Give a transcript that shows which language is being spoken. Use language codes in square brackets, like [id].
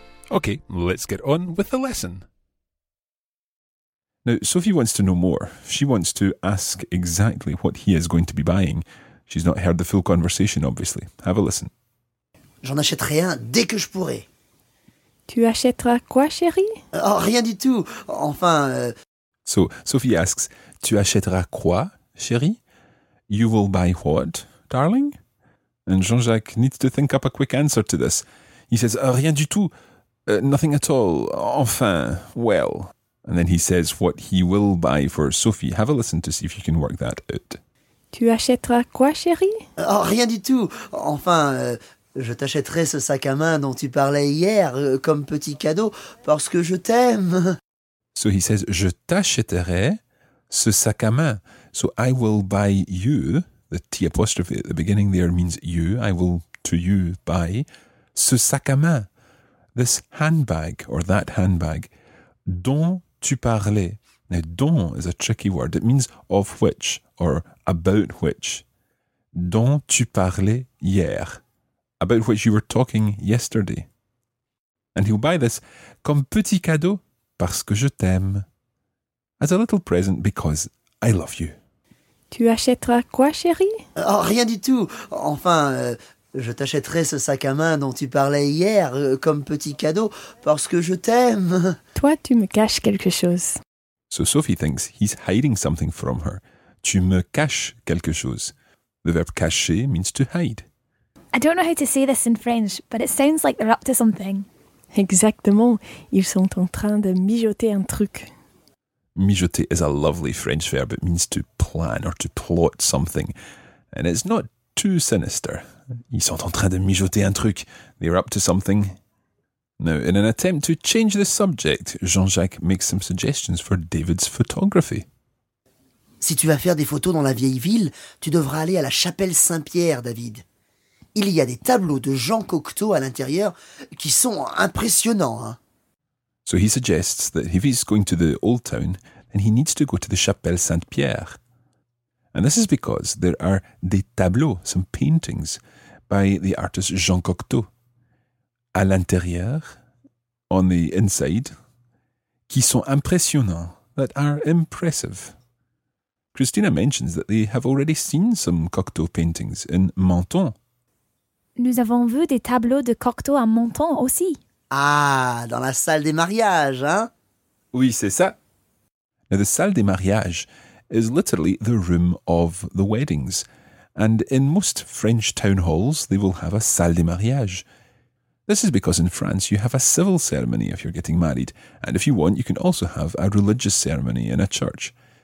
[en] Okay, let's get on with the lesson. Now, Sophie wants to know more. She wants to ask exactly what he is going to be buying. She's not heard the full conversation, obviously. Have a listen. [fr] J'en achète rien dès que je pourrai. Tu achèteras quoi, chérie? Oh, rien du tout. Enfin... [en] So, Sophie asks, [fr] tu achèteras quoi, chérie? [en] You will buy what, darling? And Jean-Jacques needs to think up a quick answer to this. He says, [fr] rien du tout. [en] Nothing at all. [fr] Enfin, [en] well. And then he says what he will buy for Sophie. Have a listen to see if you can work that out. [fr] Tu achèteras quoi, chérie? Oh, rien du tout. Enfin, je t'achèterai ce sac à main dont tu parlais hier comme petit cadeau parce que je t'aime. [en] So he says, [fr] je t'achèterai ce sac à main. [en] So I will buy you, the T apostrophe at the beginning there means you, I will to you buy [fr] ce sac à main. [en] This handbag, or that handbag, [fr] dont tu parlais. [en] Now, dont is a tricky word. It means of which, or about which. [fr] Dont tu parlais hier. [en] About which you were talking yesterday. And he'll buy this [fr] comme petit cadeau, parce que je t'aime. [en] As a little present, because I love you. [fr] Tu achèteras quoi, chérie? Oh, rien du tout. Enfin... Je t'achèterai ce sac à main dont tu parlais hier comme petit cadeau parce que je t'aime. Toi, tu me caches quelque chose. [en] So Sophie thinks he's hiding something from her. [fr] Tu me caches quelque chose. [en] The verb cacher means to hide. I don't know how to say this in French, but it sounds like they're up to something. [fr] Exactement. Ils sont en train de mijoter un truc. [en] Mijoter is a lovely French verb. It means to plan or to plot something. And it's not too sinister. [fr] Ils sont en train de mijoter un truc. [en] They're up to something. Now, in an attempt to change the subject, Jean-Jacques makes some suggestions for David's photography. [fr] Si tu vas faire des photos dans la vieille ville, tu devras aller à la chapelle Saint-Pierre, David. Il y a des tableaux de Jean Cocteau à l'intérieur qui sont impressionnants. Hein? [en] So he suggests that if he's going to the old town, then he needs to go to the chapelle Saint-Pierre. And this is because there are [fr] des tableaux, [en] some paintings, by the artist Jean Cocteau. [fr] À l'intérieur, [en] on the inside, [fr] qui sont impressionnants, [en] that are impressive. Christina mentions that they have already seen some Cocteau paintings in Menton. [fr] Nous avons vu des tableaux de Cocteau à Menton aussi. Ah, dans la salle des mariages, hein? Oui, c'est ça. [en] Now, the salle des mariages is literally the room of the weddings. And in most French town halls, they will have a salle des mariages. This is because in France, you have a civil ceremony if you're getting married. And if you want, you can also have a religious ceremony in a church.